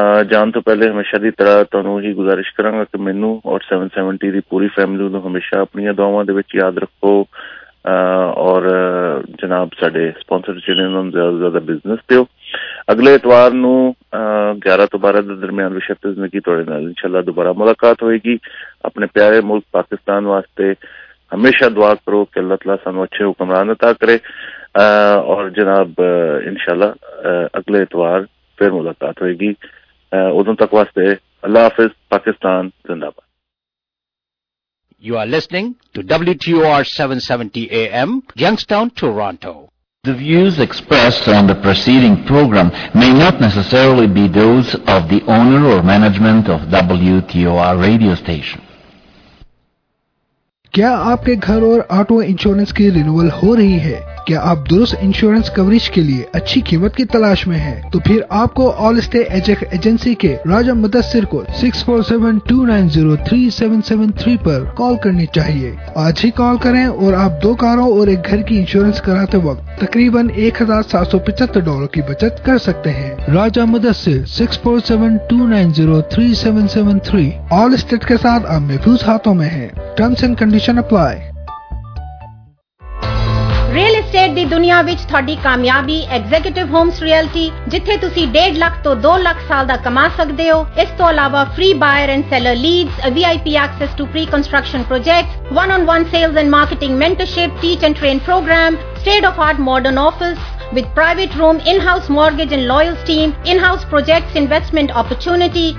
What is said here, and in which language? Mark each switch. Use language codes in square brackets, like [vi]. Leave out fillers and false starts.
[pa] جان تو پہلے ہمیشہ دی طرح تہانوں ہی گزارش کراں گا کہ مینوں اور 770 دی پوری فیملی نوں ہمیشہ اپنی دعاواں دے وچ یاد رکھو, اور جناب ساڈے سپانسر جنہاں نوں زیادہ زیادہ بزنس دیو. اگلے اتوار نوں 11-12 دے درمیان وشت زندگی تہاڈے نال انشاءاللہ دوبارہ ملاقات ہوئے گی. اپنے پیارے ملک پاکستان واسطے ہمیشہ دعا کرو کہ اللہ تعالیٰ سانو اچھے حکمران عطا کرے, اور جناب انشاءاللہ اگلے اتوار پھر ملاقات ہوئے گی. ادھر تک واسطے اللہ حافظ, پاکستان زندہ باد. [en] You are listening to WTOR 770 AM Youngstown Toronto. The views expressed on the preceding program may not necessarily be those of the owner or management of WTOR radio station. [ur] کیا آپ کے گھر اور آٹو انشورنس کی renewal ہو رہی ہے؟ کیا آپ درست انشورنس کوریج کے لیے اچھی قیمت کی تلاش میں ہیں؟ تو پھر آپ کو آل اسٹے ایجک ایجنسی کے راجہ مدثر کو 6472903773 پر کال کرنی چاہیے. آج ہی کال کریں اور آپ دو کاروں اور ایک گھر کی انشورنس کراتے وقت تقریباً $1,775 کی بچت کر سکتے ہیں. راجہ مدثر 6472903773 آل اسٹیٹ کے ساتھ آپ محفوظ ہاتھوں میں ہیں. [en] Terms and condition apply. [pa] Real estate دی دنیا وچ تھوڑی کامیابی ایگزیکٹو ہومز ریئلٹی جتھے تسی 1.5 لاکھ تو 2 لاکھ سال دا کما سکدے ہو. اس تو علاوہ [en] Free buyer and seller leads, V I P access to pre construction projects, one on one sales and marketing mentorship, teach and train programme, state of art modern office with private room, in-house mortgage and loyals team, in-house projects investment opportunity.